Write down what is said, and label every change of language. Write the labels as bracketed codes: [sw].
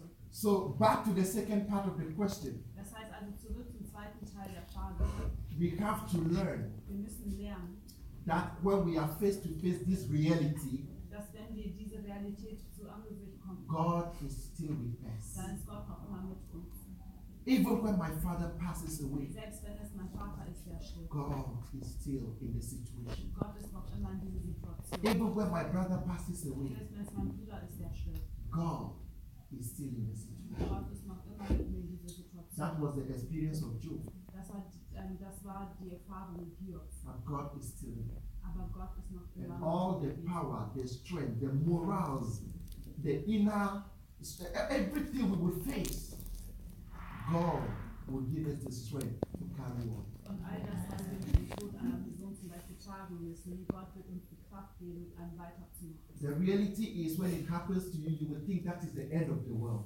[en] so back to the second part of the question. [de] Das heißt also zurück zum zweiten Teil der Frage. [en] We have to learn. [de] Wir müssen lernen, [en] that when we are face to face this reality, [de] dass wenn wir diese Realität zu Angesicht kommen, [en] God is still with us. [de] Dann ist Gott auch immer mit uns. [en] Even when my father passes away, [de] selbst wenn es mein Vater ist, [en] God is still in the situation. [de] Gott ist noch immer in dieser Situation. [en] Even when my brother passes away, [de] selbst wenn es mein Bruder ist, der stirbt. [en] God is still in the situation. That was the experience of Job. [de] Das war die Erfahrung mit Hiob. [en] But God is still in it. [de] Aber Gott ist noch immer. [en] And all the power, the strength, the morals, the inner strength, everything we will face, God will give us the strength to carry on. [de] Und all das, was wir mit Tod einer Person zum Beispiel tragen müssen, Gott wird uns die Kraft geben, einen weiterzumachen. [en] The reality is, when it happens to you, you will think that is the end of the world.